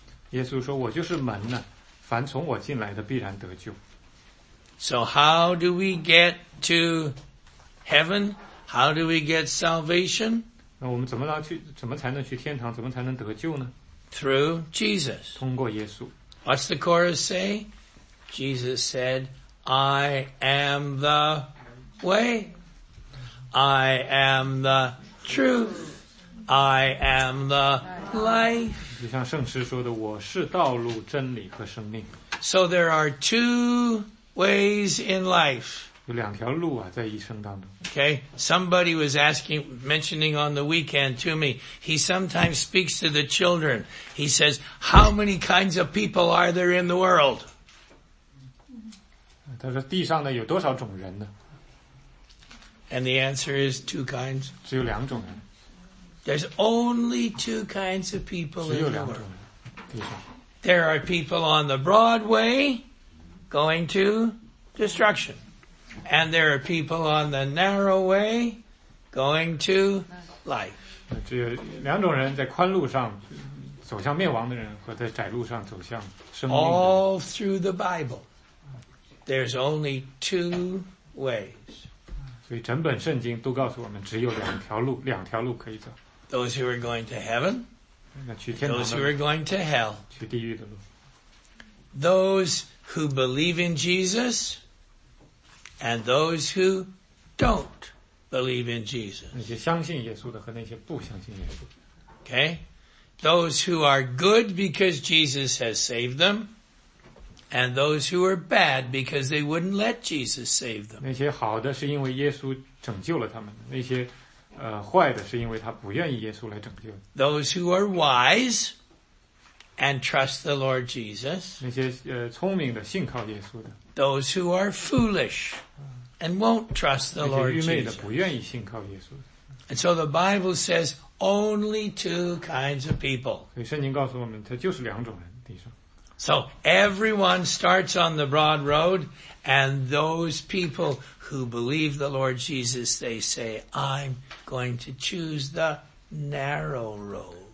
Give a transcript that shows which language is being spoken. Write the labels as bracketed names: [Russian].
[Chinese] 耶稣说，我就是门呢，凡从我进来的必然得救。 [English] So how do we get to heaven? How do we get salvation? [Chinese] 那我们怎么才能去天堂，怎么才能得救呢？ [English] Through Jesus. [Chinese] 通过耶稣。 [English] What's the chorus say? Jesus said, I am the way, I am the truth, I am the life. [Chinese] 就像圣诗说的，我是道路、真理和生命。 [English] So there are two ways in life. [Chinese] 有两条路啊，在一生当中。 [English] Okay, somebody was asking, mentioning on the weekend to me, he sometimes speaks to the children. He says, how many kinds of people are there in the world? [Chinese] 他说地上呢有多少种人呢？ [English] And the answer is two kinds. [Chinese] 只有两种人。 [English] There's only two kinds of people in the world. [Chinese] 只有两种人，地上。 [English] There are people on the broad way going to destruction. And there are people on the narrow way going to life. [Chinese] 只有两种人在宽路上走向灭亡的人和在窄路上走向生命的人。 [English] All through the Bible, there's only two ways. [Chinese] 所以整本圣经都告诉我们只有两条路，两条路可以走。 [English] Those who are going to heaven, [Chinese] 那去天堂的路。 [English] Those who are going to hell, [Chinese] 去地狱的路。 [English] Those who believe in Jesus, and those who don't believe in Jesus. [Chinese] 那些相信耶稣的和那些不相信耶稣。 [English] Okay? Those who are good because Jesus has saved them, and those who are bad because they wouldn't let Jesus save them. [Chinese] 那些好的是因为耶稣拯救了他们，那些坏的是因为他不愿意耶稣来拯救。 [English] Those who are wise and trust the Lord Jesus. [Chinese] 那些聪明的信靠耶稣的。 [English] Those who are foolish and won't trust the Lord Jesus. [Chinese] 那些愚昧的不愿意信靠耶稣的。 [English] And so the Bible says only two kinds of people. [Chinese] 所以圣经告诉我们，它就是两种人，地上。 [English] So everyone starts on the broad road, and those people who believe the Lord Jesus, they say, I'm going to choose the narrow road.